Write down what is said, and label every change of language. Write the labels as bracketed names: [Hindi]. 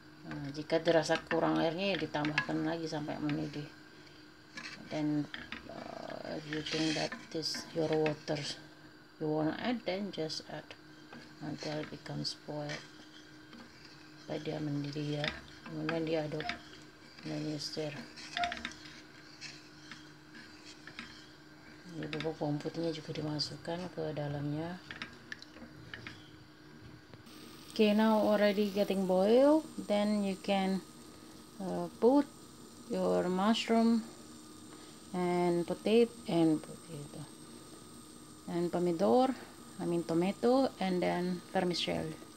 [Indonesian] Nah, jika dirasa kurang airnya ya ditambahkan lagi sampai mendidih. [English] Then if you think that this your water you wanna add, then just add until it becomes boiled. [Indonesian] Supaya dia mendidih ya, kemudian diaduk, [English] then you stir. [Indonesian] Jadi bubuk bawang putihnya juga dimasukkan ke dalamnya. [English] Okay, now already getting boiled, then you can put your mushroom and tomato and then vermicelli.